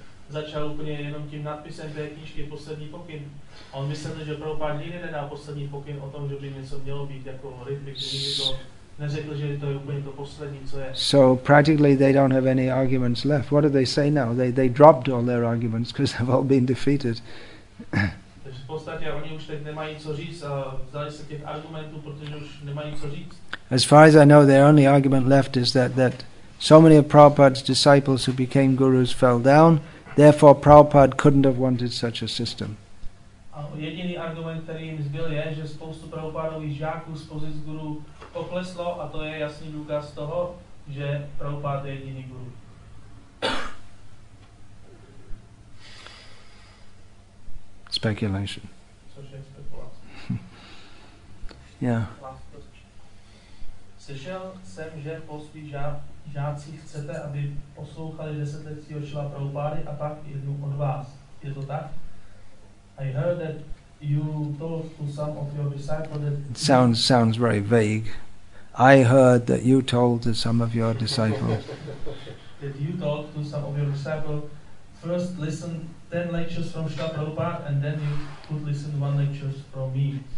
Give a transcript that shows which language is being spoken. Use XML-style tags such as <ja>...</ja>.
<cs>Začal úplně jenom tím nadpisem té knížky Poslední pokyn. On myslel, že Prabhupada nikdy nedá poslední pokyn o tom, že by něco mělo být jako Ritvik. Neřekl, že to je úplně to poslední, co je.</cs> <en>So practically they don't have any arguments left. What do they say now? They dropped all their arguments because they've all been defeated.</en> <cs>Takže v podstatě oni už teď nemají co říct a vzali se těch argumentů, protože už nemají co říct.</cs> <en>As far as I know, their only argument left is that so many of Prabhupada's disciples who became gurus fell down. Therefore, Prabhupada couldn't have wanted such a system.</en> <cs>Jediný argument, který jim zbyl, je, že spoustu Prabhupádových žáků z pozic guru pokleslo a to je jasný důkaz toho, že Prabhupád je jediný guru.</cs> <en>Speculation.</en> <cs>Což je spekulace.</cs> <en>Yeah.</en> <cs>Slyšel jsem, že po svých žáci chcete, aby poslouchali desetletího Šila Prabhupády a pak jednu od vás. Je to tak?</cs> <en>I heard that you told to some of your disciples that... It sounds very vague. I heard that you told to some of your disciples... that you told to some of your disciples, first listen 10 lectures from Šila Prabhupáda and then you could listen 1 lecture from me.</en>